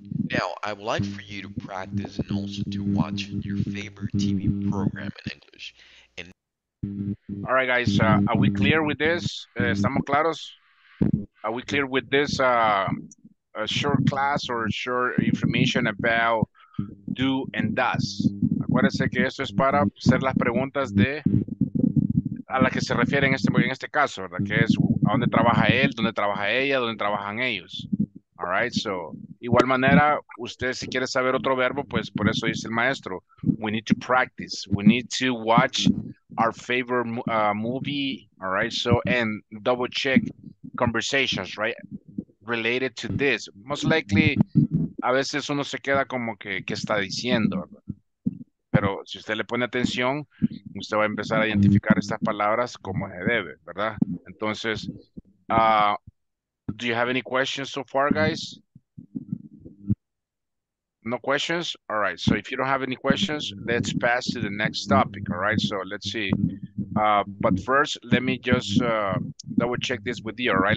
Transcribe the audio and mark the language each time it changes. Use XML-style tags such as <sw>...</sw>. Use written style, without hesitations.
<en>Now, I would like for you to practice and also to watch your favorite TV program in English. And all right, guys, are we clear with this?</en> <es>¿Estamos claros?</es> <en>Are we clear with this a short class or short information about do and does?</en> <es>Acuérdense que esto es para hacer las preguntas de a la que se refiere en este caso, ¿verdad? Que es a dónde trabaja él, dónde trabaja ella, dónde trabajan ellos.</es> <en>All right, so,</en> <es>igual manera, usted si quiere saber otro verbo, pues por eso dice el maestro,</es> <en>we need to practice, we need to watch our favorite movie, all right, so, and double check conversations, right, related to this. Most likely,</en> <es>a veces uno se queda como que, ¿qué está diciendo? Pero si usted le pone atención, usted va a empezar a identificar estas palabras como se debe, ¿verdad?</es> <en>Entonces, do you have any questions so far, guys? No questions? All right, so if you don't have any questions, let's pass to the next topic, all right? So let's see. But first, let me just double check this with you, all right?</en>